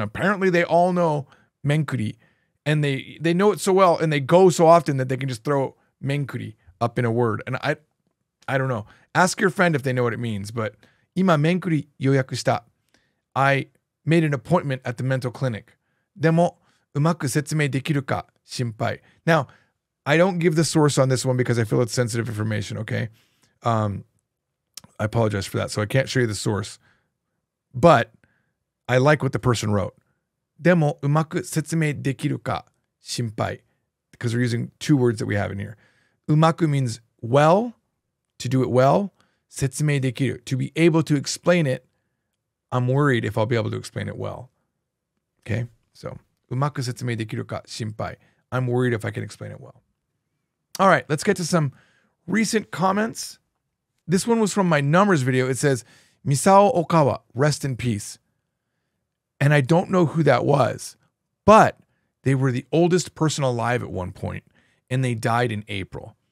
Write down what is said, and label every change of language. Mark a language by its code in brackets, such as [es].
[en] Apparently they all know menkuri, and they know it so well, and they go so often that they can just throw menkuri up in a word. And I don't know. Ask your friend if they know what it means, but [ja] 今免許予約した。 [en] I made an appointment at the mental clinic. [ja] でもうまく説明できるか心配。 [en] Now, I don't give the source on this one because I feel it's sensitive information, okay? I apologize for that, so I can't show you the source. But I like what the person wrote. [ja] でもうまく説明できるか心配。 [en] Because we're using two words that we have in here. うまく means well, to do it well. [ja] 説明できる。 [en] To be able to explain it, I'm worried if I'll be able to explain it well. Okay? So, [ja] うまく説明できるか心配。 [en] I'm worried if I can explain it well. All right, let's get to some recent comments. This one was from my numbers video. It says, Misao Okawa, rest in peace. And I don't know who that was, but they were the oldest person alive at one point, and they died in April.